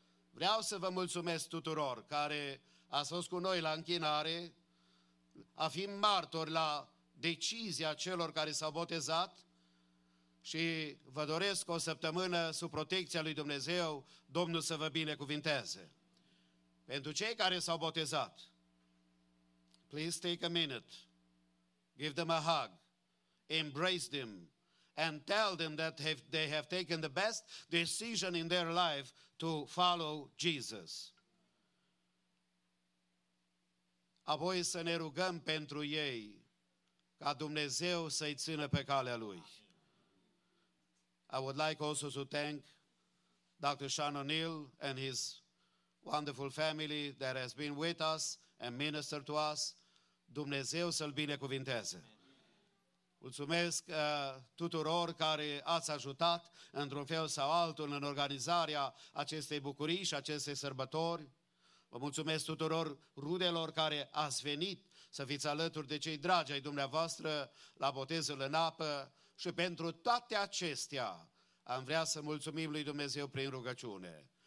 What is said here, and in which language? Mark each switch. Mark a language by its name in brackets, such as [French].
[Romanian] Vreau să vă mulțumesc tuturor care ați fost cu noi la închinare, a fi martori la decizia celor care s-au botezat și vă doresc o săptămână sub protecția lui Dumnezeu, Domnul să vă binecuvinteze. Pentru cei care s-au botezat, [English] please take a minute, give them a hug, embrace them and tell them that they have taken the best decision in their life to follow Jesus. [Romanian] Apoi să ne rugăm pentru ei, ca Dumnezeu să-i țină pe calea Lui. [English] I would like also to thank Dr. Sean O'Neill and his wonderful family that has been with us and ministered to us. [Romanian] Dumnezeu să-L binecuvinteze. Mulțumesc tuturor care ați ajutat într-un fel sau altul în organizarea acestei bucurii și acestei sărbători. Vă mulțumesc tuturor rudelor care ați venit să fiți alături de cei dragi ai dumneavoastră la botezul în apă și pentru toate acestea am vrea să mulțumim lui Dumnezeu prin rugăciune.